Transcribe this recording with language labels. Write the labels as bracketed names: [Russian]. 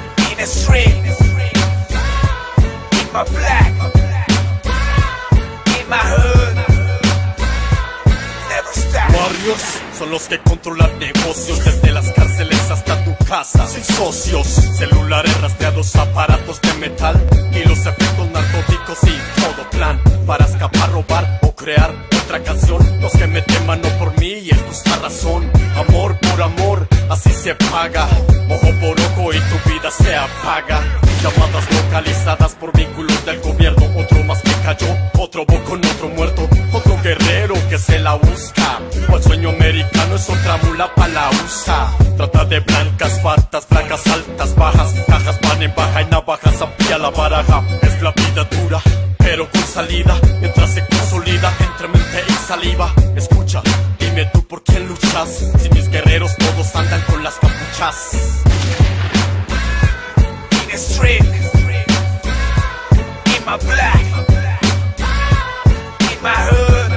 [English] In the street, in my black, in my hood. Never stop. [Spanish] Warriors son los que controlan negocios, desde las cárceles hasta tu casa. Sin socios, celulares rastreados, aparatos de metal y los efectos narcóticos y todo plan para escapar, robar o crear otra canción. Los que me teman no por mí y es justa razón. Amor por amor, así se paga. Ojo por ojo y tu vida se apaga. Llamadas localizadas por vínculos del gobierno. Otro más que cayó, otro boco en otro muerto. Otro guerrero que se la busca. O el sueño americano es otra mula pa' la USA. Trata de blancas, patas, flacas, altas, bajas. Cajas van en baja y navajas amplía la baraja. Es la vida dura, pero con salida. Mientras se consolida entre mente y saliva. Escucha, dime tú por quién luchas. Si mis guerreros todos andan con las capuchas. [English] In the street, in my black, in my hood.